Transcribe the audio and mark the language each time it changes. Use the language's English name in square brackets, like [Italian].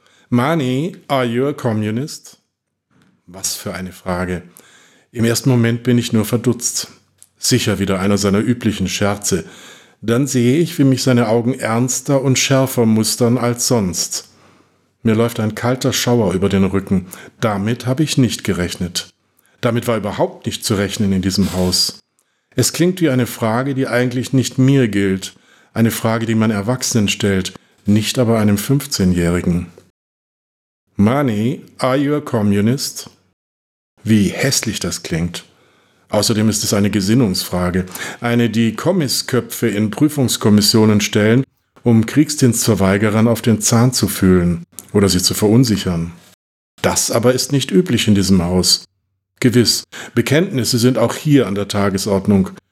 [English] Mani, are you a communist? [German] Was für eine Frage. Im ersten Moment bin ich nur verdutzt. Sicher wieder einer seiner üblichen Scherze. Dann sehe ich, wie mich seine Augen ernster und schärfer mustern als sonst. Mir läuft ein kalter Schauer über den Rücken. Damit habe ich nicht gerechnet. Damit war überhaupt nicht zu rechnen in diesem Haus. Es klingt wie eine Frage, die eigentlich nicht mir gilt. Eine Frage, die man Erwachsenen stellt, nicht aber einem 15-Jährigen. [English] Mani, are you a communist? [German] Wie hässlich das klingt. Außerdem ist es eine Gesinnungsfrage. Eine, die Kommissköpfe in Prüfungskommissionen stellen, um Kriegsdienstverweigerern auf den Zahn zu fühlen oder sie zu verunsichern. Das aber ist nicht üblich in diesem Haus. Gewiss, Bekenntnisse sind auch hier an der Tagesordnung.